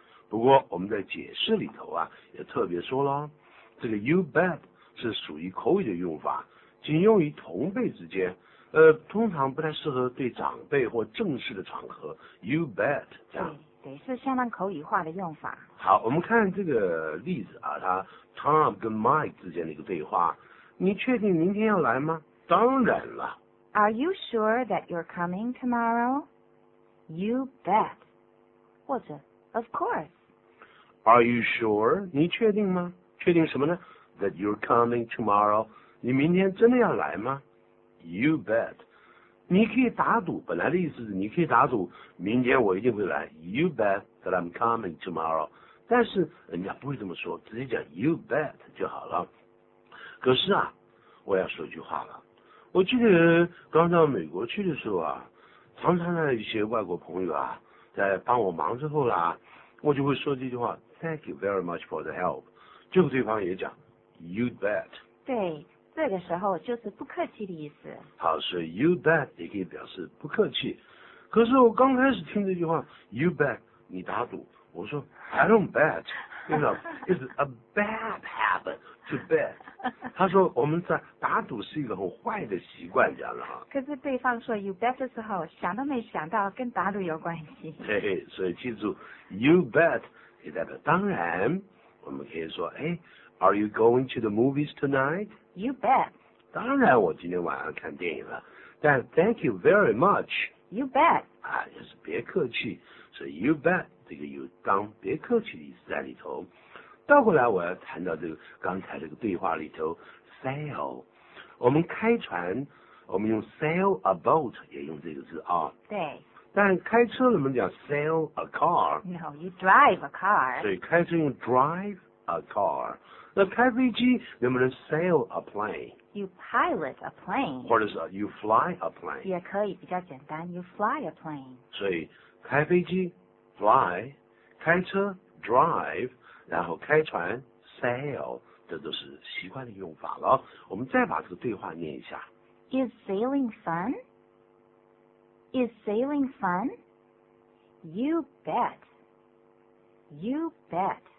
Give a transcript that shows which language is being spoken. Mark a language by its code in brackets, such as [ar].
[zh] 不过我们在解释里头啊也特别说了，这个 [en] you bet [zh] 是属于口语的用法，仅用于同辈之间，通常不太适合对长辈或正式的场合 you bet 这样。对，是相当口语化的用法。好，我们看这个例子啊，他 Tom 跟 Mike 之间的一个对话。你确定明天要来吗？当然了。 [en] Are you sure that you're coming tomorrow? You bet. [zh] 或者 [en] Of course. Are you sure? [zh] 你确定吗？确定什么呢？ [en] That you're coming tomorrow. [zh] 你明天真的要来吗？ [en] You bet. [zh] 你可以打赌，本来的意思是你可以打赌明天我一定会来， [en] You bet that I'm coming tomorrow， [zh] 但是人家不会这么说，直接讲 [en] You bet [zh] 就好了。可是啊，我要说句话了，我记得刚到美国去的时候啊，常常的一些外国朋友啊在帮我忙之后啦，我就会说这句话， [en] Thank you very much for the help， [zh] 最后对方也讲 [en] You bet。 [zh] 对，这个时候就是不客气的意思。好，所以 [en] you bet [zh] 也可以表示不客气。可是我刚开始听这句话 [en] you bet [zh] 你打赌，我说 [en] I don't bet， you know it's a bad habit to bet。 [zh] 他说我们在打赌是一个很坏的习惯，这样的。可是对方说 [en] you bet [zh] 的时候想都没想到跟打赌有关系。对，所以记住 [en] you bet [zh] 也代表当然。我们可以说，哎， [en] Are you going to the movies tonight? You bet. [zh] 当然我今天晚上看电影了，但 [en] thank you very much. You bet. [zh] 啊，也是别客气，所以 [en] you bet [zh] 这个有当别客气的意思在里头。倒过来我要谈到这个刚才这个对话里头 sail， 我们开船我们用 [en] sail a boat [zh] 也用这个字啊。对，但开车人们讲 [en] sail a car。 No, you drive a car. [zh] 所以开车用 drive a car。那开飞机能不能 [en] sail a plane? You pilot a plane. 或者是 you fly a plane. [zh] 也可以，比较简单， you fly a plane. 所以开飞机 fly， 开车 drive， 然后开船 sail， 这都是习惯的用法了。我们再把这个对话念一下。 [en] Is sailing fun? Is sailing fun? You bet. You bet.